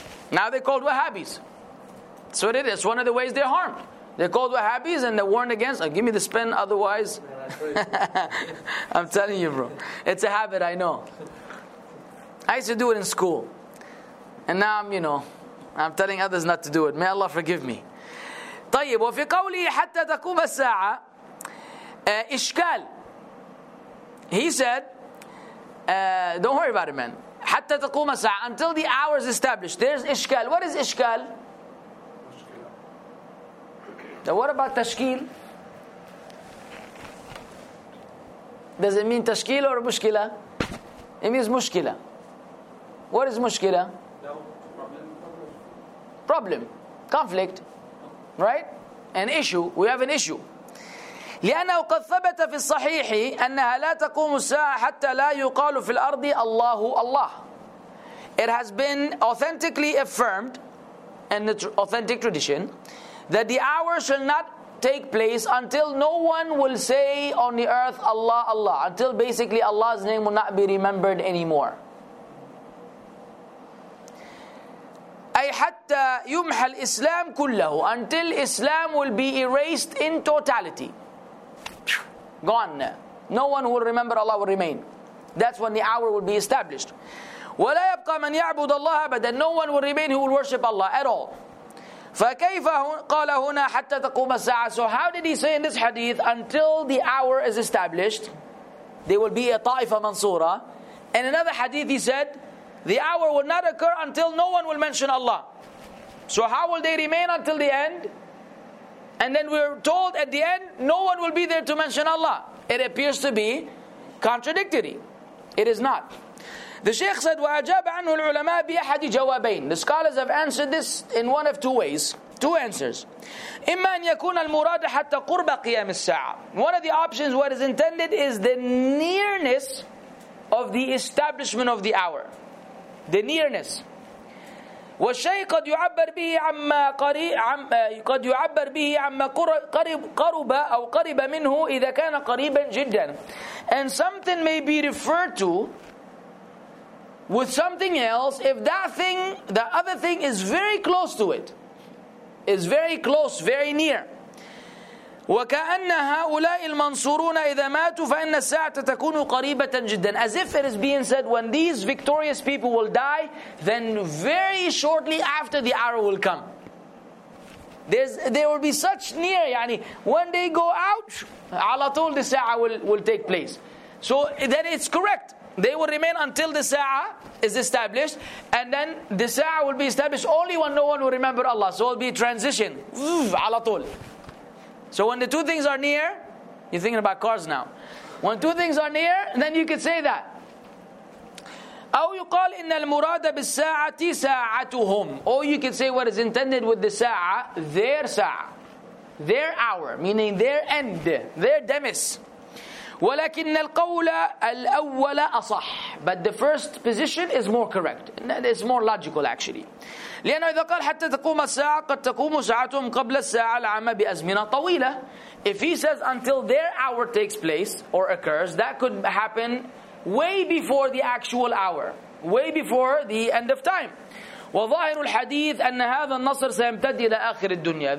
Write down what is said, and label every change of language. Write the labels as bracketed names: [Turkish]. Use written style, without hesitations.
[English] Now they're called Wahhabis. So it is. It's one of the ways they're harmed. They're called Wahhabis and they're warned against. Oh, give me the spin, otherwise. I'm telling you, bro. It's a habit, I know. I used to do it in school. And now I'm, you know, I'm telling others not to do it. May Allah forgive me. [Arabic] طيب وفي قوله حتى تقوم الساعة إشكال. [English] He said, don't worry about it, man. [Arabic] حتى تقوم الساعة, [English] until the hour is established. There's إشكال. What is إشكال? Now what about تشكيل? Does it mean تشكيل or مشكلة? It means مشكلة. What is مشكلة? Problem. Conflict. Right? An issue. We have an issue. [Arabic] لأنه قد ثبت في الصحيح أنها لا تقوم الساعة حتى لا يقال في الأرض الله الله. [English] It has been authentically affirmed in the authentic tradition that the hour shall not take place until no one will say on the earth Allah Allah, until basically Allah's name will not be remembered anymore. [Arabic] أي حتى يمحى الإسلام كله, [English] until Islam will be erased in totality. Gone. No one will remember, Allah will remain. That's when the hour will be established. [Arabic] وَلَا يَبْقَى مَنْ يَعْبُدَ اللَّهَ أَبَدًا. [English] No one will remain who will worship Allah at all. [Arabic] فَكَيْفَ قَالَ هُنَا حَتَّى تَقُومَ السَّاعَةِ. [English] So how did he say in this hadith, until the hour is established, there will be a ta'ifa mansura. In another hadith he said, the hour will not occur until no one will mention Allah. So how will they remain until the end? And then we're told at the end, no one will be there to mention Allah. It appears to be contradictory. It is not. The Shaykh said, [Arabic] وَأَجَابَ عَنْهُ الْعُلَمَاءَ بِأَحَدِ جَوَابَيْنِ. [English] The scholars have answered this in one of two ways. Two answers. [Arabic] إِمَّا أَنْ يَكُونَ الْمُرَادَ حَتَّى قُرْبَ قِيَامِ السَّاعَةِ. [English] One of the options, what is intended, is the nearness of the establishment of the hour. The nearness. [Arabic] والشيء قد يعبر به عما قد يعبر به عما قرب قرب أو قرب منه إذا كان قريبا جدا. [English] And something may be referred to with something else if that thing, the other thing, is very close to it. Is very close, very near. [Arabic] وكأن هؤلاء المنصورون إذا ماتوا فإن الساعة تكون قريبة جدا. [English] As if it is being said, when these victorious people will die, then very shortly after the hour will come. There will be such near, يعني, when they go out, [Arabic] على طول [English] the ساعة will take place. So then it's correct. They will remain until the ساعة is established, and then the ساعة will be established only when no one will remember Allah. So it will be transition. [Arabic] على طول. [English] So when the two things are near, you're thinking about cars now. When two things are near, then you could say that. [Arabic] أو يقال إن المراد بالساعة ساعتهم. [English] Or you could say what is intended with the ساعة, their ساعة, their hour, meaning their end, their demis. [Arabic] ولكن القول الأول أصح. [English] But the first position is more correct. It's more logical actually. [Arabic] لأنه إذا قال حتى تقوم الساعة قد تقوم ساعتهم قبل الساعة العامة بأزمنة طويلة. [English] If he says until their hour takes place or occurs, that could happen way before the actual hour, way before the end of time. [Arabic] وظاهر الحديث أن هذا النصر سيمتد إلى آخر الدنيا.